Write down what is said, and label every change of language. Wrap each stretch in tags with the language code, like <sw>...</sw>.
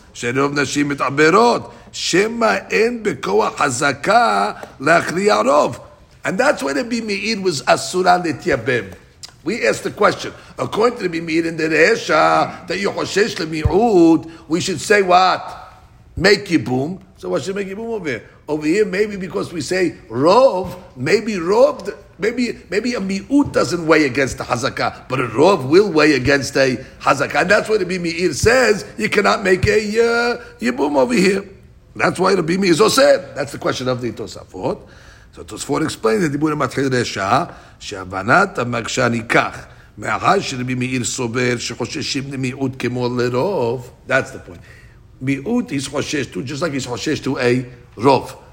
<he>שרוב נשים מתעברות, שמה אין בכוח חזקה להכריע רוב.</he> <en>And that's why Rabbi Meir was asura letiabem. We asked the question, according to Rabbi Meir in the Resha, that you choshesh lemi'ud, we should say what? Make yibum. So what should make yibum over here? Over here, maybe because we say rov, maybe a mi'ut doesn't weigh against the hazakah, but a rov will weigh against a hazakah. And that's why Rabbi Meir says, you cannot make a yibum over here. That's why Rabbi Meir so said. That's the question of the Tosafot. So Tosfot explains that the Dibur HaMatchil Resha,</en> <he>שהבנת המקשה ניקח, מאחר שרבי מאיר סובר שחוששים למיעוט כמו לרוב,</he> <en>that's the point. מיעוט is חושש to, just like he's חושש to a רוב.</en>